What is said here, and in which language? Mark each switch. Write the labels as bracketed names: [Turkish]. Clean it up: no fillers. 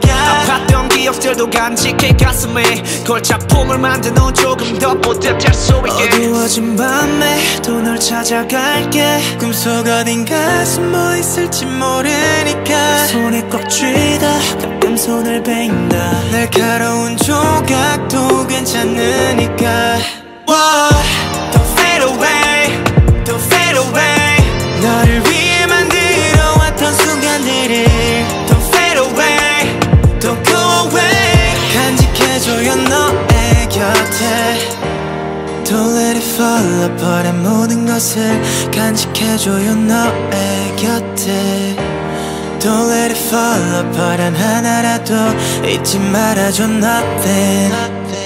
[Korean] 아팠던 기억들도 간직해 가슴에 골차품을 만든 후 조금 더 뿌듯할 수 있게 어두워진 밤에 또 널 찾아갈게 꿈속 어딘가에서 뭐 있을지 모르니까 손에 꼭 쥐다 가끔 손을 베인다 날카로운 조각도 괜찮으니까 [English] 와 Don't fade away Don't fade away [Korean] 너를 위해 만들어 왔던 순간들이 [English] Don't fade away Don't go away [Korean] 간직해줘요 너의 곁에 [English] Don't let it fall apart [Korean] 단 모든 것을 간직해줘요 너의 곁에 Don't let it fall apart 단 하나라도 잊지 말아줘 nothing